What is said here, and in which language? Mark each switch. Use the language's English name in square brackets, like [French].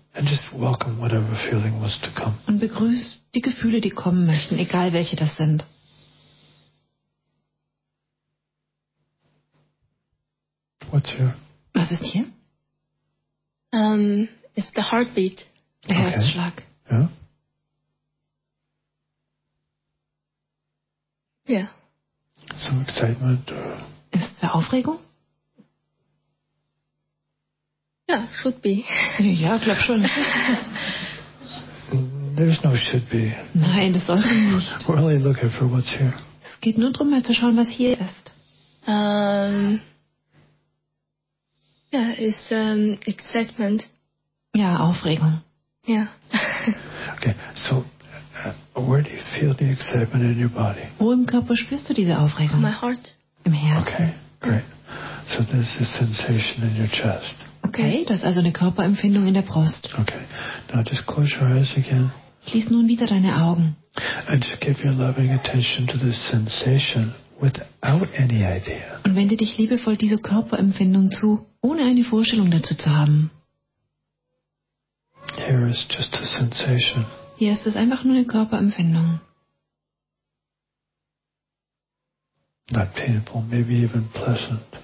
[English] And just welcome whatever feeling was to come. [German] Und begrüß die Gefühle, die kommen möchten, egal welche das sind. [English] What's here? [German] Was ist hier? [English] It's the heartbeat. [German] Der okay. Herzschlag. Ja. Yeah. [English] Yeah. Some excitement. [German] Ist es Aufregung? [English] Ja, yeah, should be. [German] Ja, glaub schon. [English] There's no should be. [German] Nein, das sollte nicht. [English] We're only looking for what's here. [German] Es geht nur darum, mal zu schauen, was hier ist. [English] Excitement. [German] Ja, Aufregung. Ja. [English] Yeah. Okay, so. Where do you feel the excitement in your body? [German] Wo im Körper spürst du diese Aufregung? [English] My heart. [German] Im Herzen. [English] Okay, great. So there's a sensation in your chest. [German] Okay, das ist also eine Körperempfindung in der Brust. [English] Okay, now just close your eyes again. [German] Schließ nun wieder deine Augen. [English] And just give your loving attention to this sensation without any idea. [German] Und wende dich liebevoll dieser Körperempfindung zu, ohne eine Vorstellung dazu zu haben. [English] Here is just a sensation. [German] Hier ist es einfach nur eine Körperempfindung. [English] Not painful, maybe even pleasant.